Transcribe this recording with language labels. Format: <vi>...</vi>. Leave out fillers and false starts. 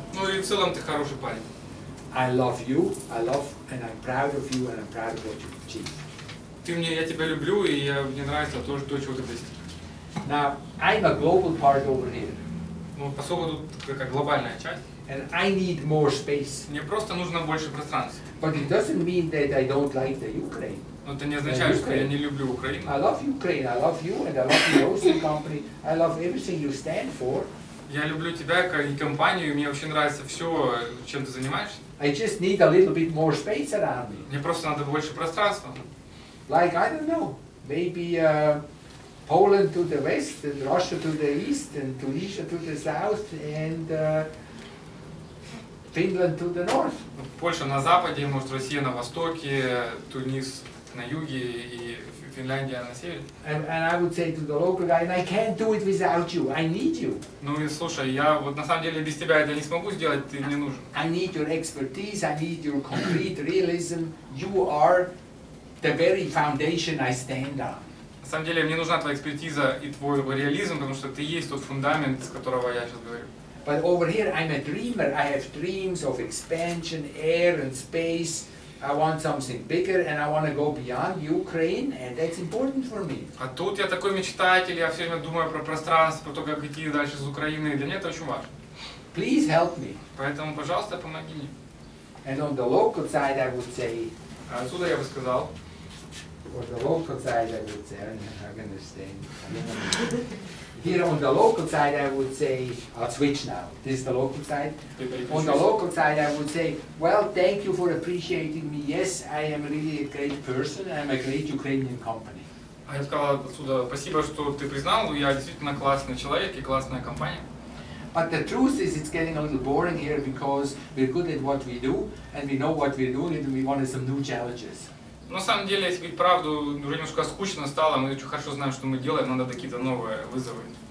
<ru>Ну и в целом ты хороший парень.</ru> <en>I love you. I love and I'm proud of you and I'm proud of what you've achieved.</en> <ru>Ты мне, я тебя люблю, и я, мне нравится то, что, чего ты достиг.</ru> <en>Now, I'm a global part over here.</en> <ru>Ну, по сути, тут такая глобальная часть.</ru> <en>And I need more space.</en> <ru>Мне просто нужно больше пространства.</ru> <en>But it doesn't mean that I don't like the Ukraine.</en> <ru>Но это не означает, что я не люблю Украину.</ru> <en>I love Ukraine, I love you, and I love your hosting company. I love everything you stand for.</en> <ru>Я люблю тебя и компанию, и мне вообще нравится все, чем ты занимаешься.</ru> <en>I just need a little bit more space around me.</en> <ru>Мне просто надо больше пространства.</ru> <en>Like, I don't know, maybe Poland to the west, and Russia to the east, and Tunisia to the south, and Finland to the north.</en> <ru>Польша на западе, может, Россия на востоке, Тунис на юге, и Финляндия на севере.</ru> <en>And I would say to the local guy, I can't do it without you, I need you.</en> <ru>Ну и слушай, я вот на самом деле без тебя это не смогу сделать, ты мне нужен.</ru> <en>I need your expertise, I need your concrete realism, you are... The very foundation I stand on.</en> <ru>На самом деле, мне нужна твоя экспертиза и твой реализм, потому что ты есть тот фундамент, с которого я сейчас говорю.</ru> <en>But over here I'm a dreamer. I have dreams of expansion, air and space. I want something bigger and I want to go beyond Ukraine, and that's important for me.</en> <ru>А тут я такой мечтатель, я все время думаю про пространство, про то, как идти дальше с Украины. Для меня это очень важно.</ru> <en>Please help me.</en> <ru>Поэтому, пожалуйста, помоги мне.</ru> <en>And on the local side, I would say.</en> <ru>А отсюда я бы сказал.</ru> <en>On the local side I would say, I don't understand. Here on the local side I would say, I'll switch now. This is the local side. On the local side I would say, well, thank you for appreciating me. Yes, I am really a great person. I'm a great Ukrainian company.</en> <ru>А я сказал отсюда, спасибо, что ты признал, я действительно классный человек и классная компания.</ru> <en>But the truth is, it's getting a little boring here because we're good at what we do, and we know what we're doing, and we wanted some new challenges.</en> <ru>На самом деле, если говорить правду, уже немножко скучно стало. Мы очень хорошо знаем, что мы делаем, надо какие-то новые вызовы.</ru>